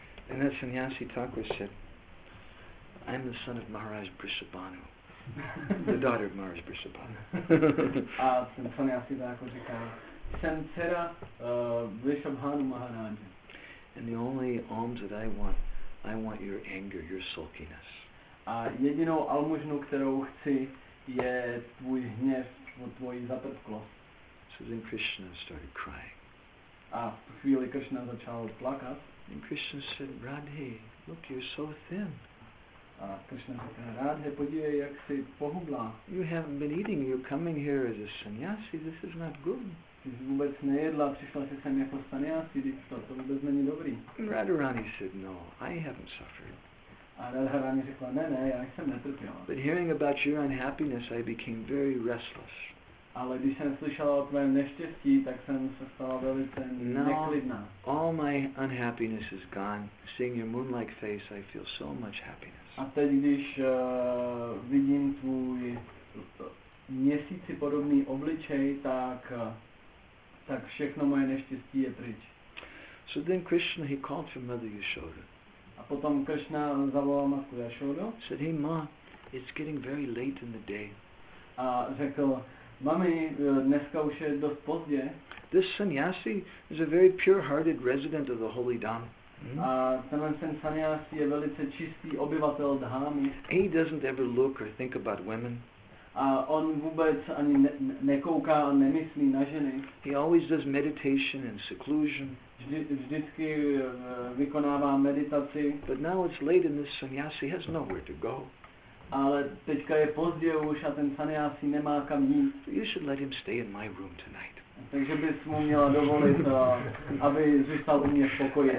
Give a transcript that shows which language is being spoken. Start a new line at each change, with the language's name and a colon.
English: And that sannyasi Thakure said, I'm the son of Maharaj Brishabhanu, the daughter of Maharaj Brishabhanu.
Czech: A ten sannyasi Thakur říká, jsem dcera Brishabhanu Maharaj.
English: And the only alms that I want your anger, your sulkiness.
Czech: A jedinou almužnu, kterou chci, je tvůj hněv, tvojí zatrpklost.
English: So then Krishna started crying.
Czech: A v chvíli Krishna začal plakat.
English: And Krishna said, Radhe, look, you're so thin.
Czech: A Krishna říká, Radhe, podívej, jak jsi pohublá.
English: You haven't been eating, you're coming here as a sannyasi, this is not good.
Czech: Ty jsi vůbec nejedla, přišla jsi sem jako sannyasi, to vůbec není dobrý.
English: Radharani said, no, I haven't suffered.
Czech: A Radharani řekla, ne, já jsem netrpěla.
English: But hearing about your unhappiness, I became very restless.
Czech: Ale když jsem slyšela o tvém neštěstí, tak jsem se stala velice neklidná.
English: Now, all my unhappiness is gone. Seeing your moon-like face, I feel so much happiness.
Czech: A teď, když vidím tvůj měsíci podobný obličej, tak všechno moje neštěstí je pryč.
English: So then Krishna, he called for Mother Yashoda.
Czech: A potom Krishna zavolal matku Yashodu.
English: Said, hey ma, it's getting very late in the day.
Czech: A řekl, mami, dneska už je dost pozdě.
English: This sannyasi is a very pure-hearted resident of the holy dham.
Czech: A tenhle ten sannyasi je velice čistý obyvatel dhámy.
English: He doesn't ever look or think about women.
Czech: A on vůbec ani nekouká a nemyslí na ženy.
English: He always does meditation in seclusion.
Czech: Vždycky vykonává meditaci.
English: But now it's late and this sannyasi has nowhere to go.
Czech: Ale teďka je pozdě už a ten sannyasi nemá kam jít.
English: So you should let him stay in my room tonight.
Czech: Takže bys mu měla dovolit, aby zůstal u mě v pokoji.